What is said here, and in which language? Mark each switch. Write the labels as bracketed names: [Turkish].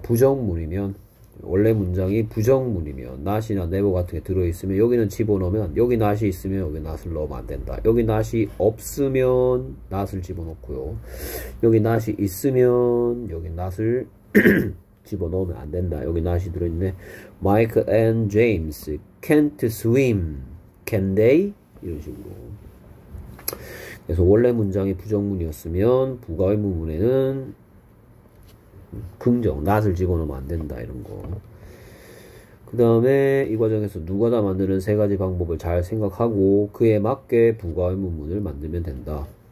[Korean] 부정문이면 원래 문장이 부정문이면 not이나 never 같은 게 들어있으면 여기는 집어넣으면 여기 not이 있으면 여기 not을 넣으면 안 된다. 여기 not이 없으면 not을 집어넣고요. 여기 not이 있으면 여기 not을 집어넣으면 안 된다. 여기 not이 들어있네. [English] Mike and James can't swim. Can they? [Korean] 이런 식으로. 그래서 원래 문장이 부정문이었으면 부가의 부분에는 긍정, not을 집어넣으면 안 된다, 이런 거. 그 다음에 이 과정에서 누가 다 만드는 세 가지 방법을 잘 생각하고 그에 맞게 부가의 문문을 만들면 된다.